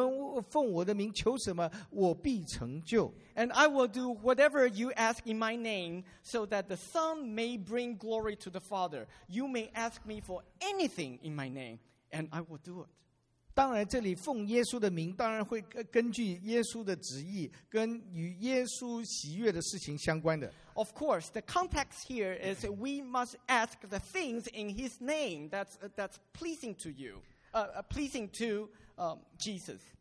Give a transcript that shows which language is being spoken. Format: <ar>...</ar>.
<zh>他说,你们奉我的名,无论求什么,我必成就,叫父因儿子得荣耀。你们奉我的名求什么,我必成就。</zh> <en>And I will do whatever you ask in my name, so that the Son may bring glory to the Father. You may ask me for anything in my name, and I will do it.</en> <zh>当然这里奉耶稣的名当然会根据耶稣的旨意跟与耶稣喜悦的事情相关的。</zh> <en>Of course, the context here is we must ask the things in his name that's pleasing to you, pleasing to Jesus.</en>